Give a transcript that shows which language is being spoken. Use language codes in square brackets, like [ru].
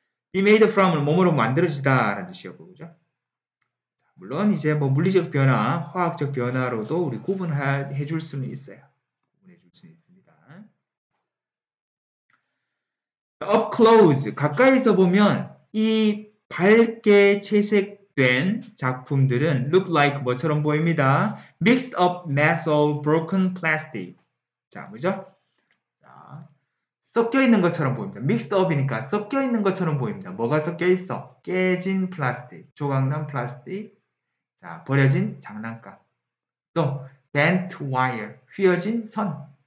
[en] Be made from [ko] 은 몸으로 만들어지다라는 뜻이었고, 그죠? 물론 이제 뭐 물리적 변화, 화학적 변화로도 우리 구분해 줄 수는 있어요. 구분해 줄 수는 있습니다. [en] Up close, [ko] 가까이서 보면 이 밝게 채색된 작품들은 [en] look like [ko] 뭐처럼 보입니다. [en] Mixed up mass of broken plastic. [ko] 자, 뭐죠? 섞여 있는 것처럼 보입니다. [en] Mixed up [ko] 이니까 섞여 있는 것처럼 보입니다. 뭐가 섞여 있어? 깨진 플라스틱, 조각난 플라스틱, 자, 버려진 장난감, 또 [en] bent wire, [ko] 휘어진 선.